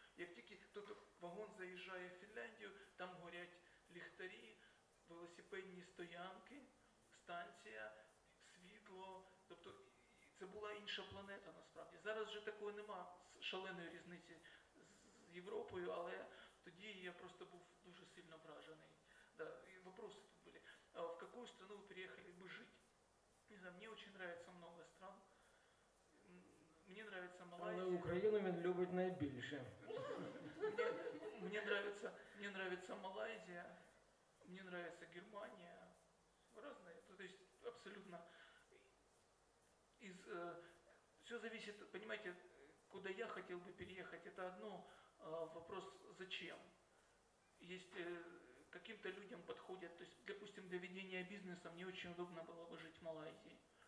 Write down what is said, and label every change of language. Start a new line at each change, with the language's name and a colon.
Ukrainian: Як тільки тут вагон заїжджає в Фінляндію, там горять ліхтарі, велосипедні стоянки, станція, світло. Тобто це була інша планета насправді. Зараз вже такого нема, шаленої різниці з Європою, але тоді я просто був дуже сильно вражений.
Russian: Да, и вопросы тут были. А в какую страну вы переехали бы жить? Не знаю, мне очень нравится много стран. Мне нравится нравится Малайзия.
Ukrainian: Але Україну він любить найбільше. Мені нравится Малайзія, мені нравится Германія.
Russian: Разные, то есть абсолютно все зависит, понимаете, куда я хотел бы переехать, это одно, вопрос зачем. Если каким-то людям подходят, то есть, допустим, для ведения бизнеса мне очень удобно было бы жить в Малайзии.